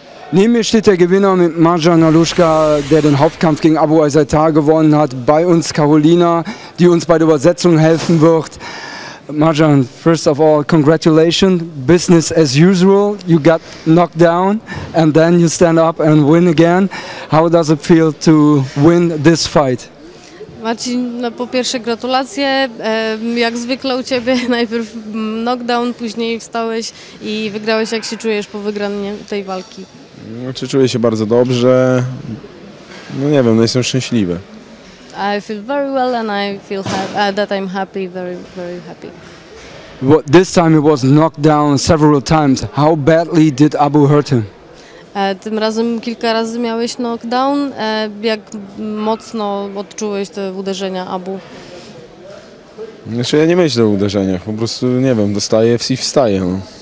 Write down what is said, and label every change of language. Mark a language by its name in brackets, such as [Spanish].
[German] Neben mir steht der Gewinner mit Marcin Naruszczka, der den Hauptkampf gegen Abu Azaitar gewonnen hat. Bei uns Carolina, die uns bei der Übersetzung helfen wird. [English] Marcin, first of all, congratulations. Business as usual. You got knocked down and then you stand up and win again. How does it feel to win this fight? [Polish] Marcin, no, po pierwsze gratulacje. Jak zwykle u Ciebie najpierw knockdown, później wstałeś i wygrałeś. Jak się czujesz po wygraniu tej walki? Czy czuję się bardzo dobrze? No nie wiem, no jestem szczęśliwy. [English] I feel very well and I feel that I'm happy, very, very happy. Well, this time he was knocked down several times. How badly did Abu hurt him? [Polish] Tym razem kilka razy miałeś knockdown. Jak mocno odczułeś te uderzenia Abu? Znaczy ja nie myślę o uderzeniach, po prostu nie wiem, dostaję i wstaję. No.